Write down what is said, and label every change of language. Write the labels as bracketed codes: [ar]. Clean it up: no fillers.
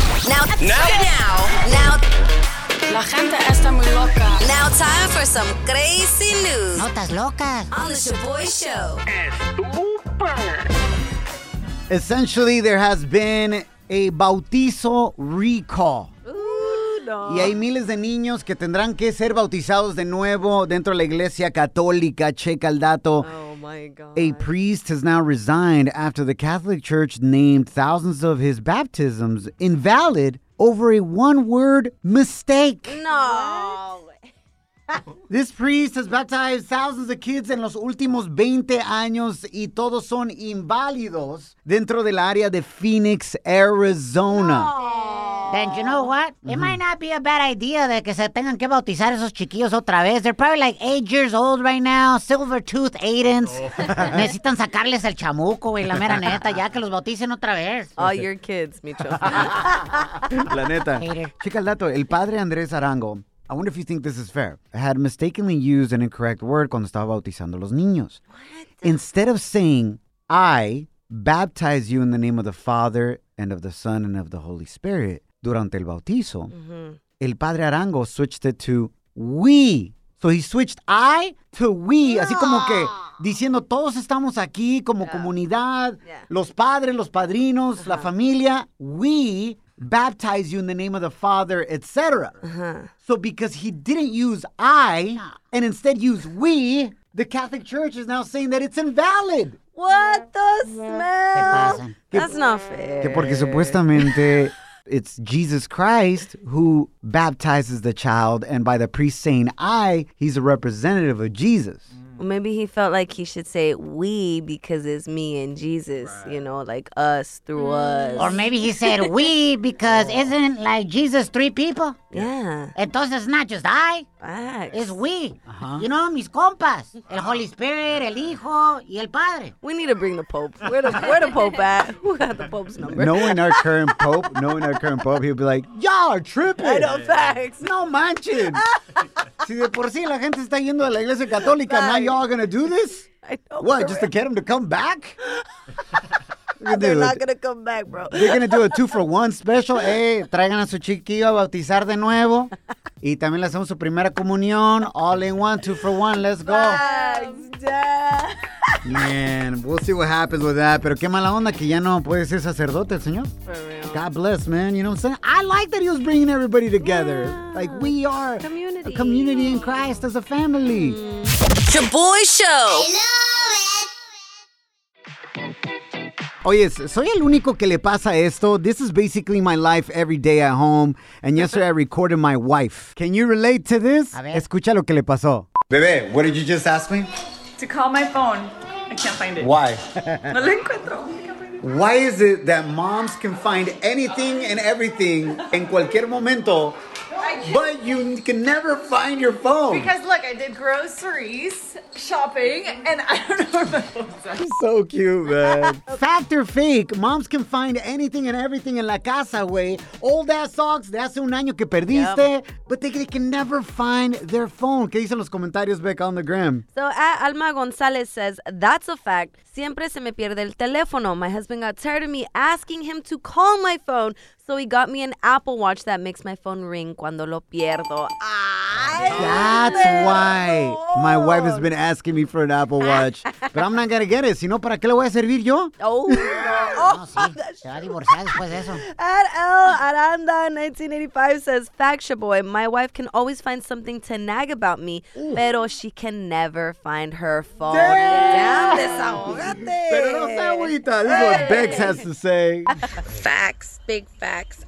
[en] Now. [es] La gente está muy loca. [en] Now time for some crazy news. [es] Notas locas. [en] On the Shaboy Show. [es] Estupor. [en] Essentially, there has been a bautizo recall. No. [es] Y hay miles de niños que tendrán que ser bautizados de nuevo dentro de la iglesia católica. Checa el dato. [en] Oh, my God. A priest has now resigned after the Catholic Church named thousands of his baptisms invalid over a one-word mistake. No. This priest has baptized thousands of kids in [es] los últimos 20 años y todos son inválidos dentro del área de Phoenix, Arizona. [en] No. Then you know what? Mm-hmm. It might not be a bad idea that [es] que se tengan que bautizar esos chiquillos otra vez. [en] They're probably like 8 years old right now. Silver tooth Aidens. Oh. [es] Necesitan sacarles el chamuco, güey, la mera neta, ya que los bauticen otra vez. [en] All okay. Your kids, Micho. [es] La neta. [en] Hater. [es] Chica el dato, el padre [en] Andrés Arango, I wonder if you think this is fair. I had mistakenly used an incorrect word [es] cuando estaba bautizando los niños. [en] What? Instead of saying, I baptize you in the name of the Father and of the Son and of the Holy Spirit [es] durante el bautizo, el padre [en] Arango switched it to we. So he switched I to we. No. [es] Así como que diciendo, todos estamos aquí como comunidad, los padres, los padrinos, la familia, [en] we baptize you in the name of the Father, etc. So because he didn't use I and instead use we, the Catholic Church is now saying that it's invalid. What the smell? That's not fair. [es] Que porque supuestamente [en] it's Jesus Christ who baptizes the child, and by the priest saying I, he's a representative of Jesus. Well, maybe he felt like he should say we because it's me and Jesus, you know, like us through us. Or maybe he said we because isn't like Jesus three people? Yeah. [es] Entonces [en] it's not just I. Facts. It's we. Uh-huh. You know, [es] mis compas. El [en] Holy Spirit, [es] el Hijo, y el Padre. [en] We need to bring the Pope. Where the Pope at? Who got the Pope's number? Knowing our current Pope, he'll be like, y'all are tripping. I know, facts. [es] No manches. Si de por sí la gente está yendo a la iglesia católica, [en] now y'all are going to do this? I know. What, just to get them to come back? They're not going to come back, bro. They're going to do a 2-for-1 special. [es] Hey, traigan a su chiquillo a bautizar de nuevo. Y también le hacemos su primera comunión. [en] All in one, 2-for-1. Let's go. Man, we'll see what happens with that. [es] Pero qué mala onda que ya no puede ser sacerdote el señor. [en] God bless, man. You know what I'm saying? I like that he was bringing everybody together. Yeah. Like, we are community. A community in Christ as a family. Shaboy Show. I love it. [es] Oye, soy el único que le pasa esto. [en] This is basically my life every day at home. And yesterday I recorded my wife. Can you relate to this? [es] A ver. Escucha lo que le pasó. [en] Bebé, what did you just ask me? To call my phone. I can't find it. Why? [es] No lo encuentro. [en] Why is it that moms can find anything and everything [es] en cualquier momento, [en] but you can never find your phone? Because look, I did groceries, shopping, and I don't know where my phone's at. So cute, man. Fact or fake, moms can find anything and everything in [es] la casa, güey. [en] Old ass socks [es] de hace un año que perdiste, yep. [en] But they can never find their phone. [es] ¿Qué dicen los comentarios, Becca, [en] on the gram? So Alma Gonzalez says, that's a fact. [es] Siempre se me pierde el teléfono. [en] My husband got tired of me asking him to call my phone, so he got me an Apple Watch that makes my phone ring [es] cuando lo pierdo. [en] Ay, that's why my wife has been asking me for an Apple Watch. But I'm not going to get it. [es] Si no, ¿para qué le voy a servir yo? [en] Oh, no. [es] Se va a divorciar después de eso. [en] At El Aranda 1985 says, fact, Shaboy, my wife can always find something to nag about me, [es] pero [en] she can never find her phone. Damn, [es] desahogate. Pero no se agüita. [en] This is what Bex has to say. Facts, big facts.